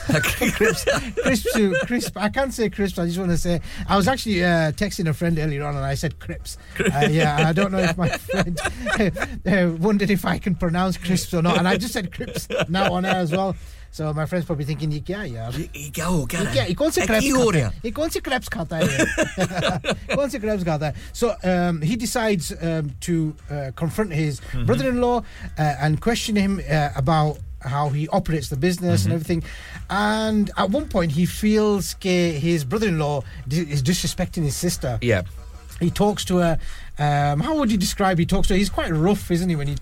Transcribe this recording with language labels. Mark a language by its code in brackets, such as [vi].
[en] I can't say crisp. I just want to say I was actually texting a friend earlier on and I said crips. I don't know if my friend wondered if I can pronounce crisps or not, and I just said crips now on air as well. So my friend's probably thinking, "Yeah, yeah. [hi] क्या ये कौन से crabs खाता है? कौन से crabs खाता है?" [en] So he decides to confront his mm-hmm. brother-in-law and question him about how he operates the business mm-hmm. and everything. And at one point, he feels that his brother-in-law is disrespecting his sister. Yeah, he talks to her. How would you describe? He talks to her. He's quite rough, isn't he? When he